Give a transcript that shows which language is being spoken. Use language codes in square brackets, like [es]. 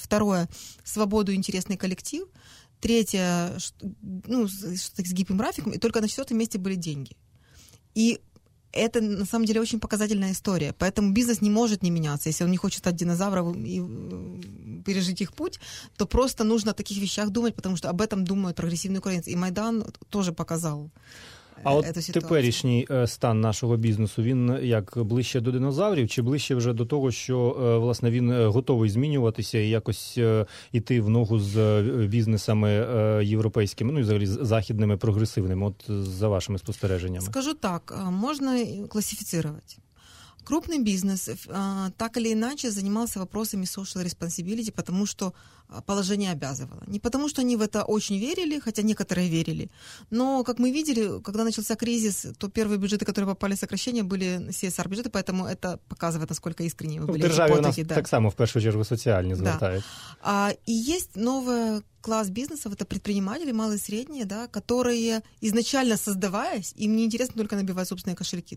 [ru] Второе – свободу и интересный коллектив. Третье – ну, с гибким графиком. И только на четвертом месте были деньги. И это, на самом деле, очень показательная история. Поэтому бизнес не может не меняться. Если он не хочет стать динозавром и пережить их путь, то просто нужно о таких вещах думать, потому что об этом думают прогрессивные украинцы. И Майдан тоже показал эту ситуацию. [uk] А теперішній стан нашого бізнесу, він як ближче до динозаврів, чи ближче вже до того, що, власне, він готовий змінюватися і якось йти в ногу з бізнесами європейськими, ну і взагалі західними, прогресивними, от за вашими спостереженнями? Скажу так, можна класифицировати. [ru] Крупный бизнес так или иначе занимался вопросами social responsibility, потому что положение обязывало. Не потому что они в это очень верили, хотя некоторые верили. Но, как мы видели, когда начался кризис, то первые бюджеты, которые попали в сокращение, были CSR-бюджеты, поэтому это показывает, насколько искренне вы были. В державе у нас так само, в первую очередь, социальные звертают. Да. И есть новый класс бизнесов, это предприниматели, малые и средние, да, которые изначально создаваясь, им не интересно только набивать собственные кошельки.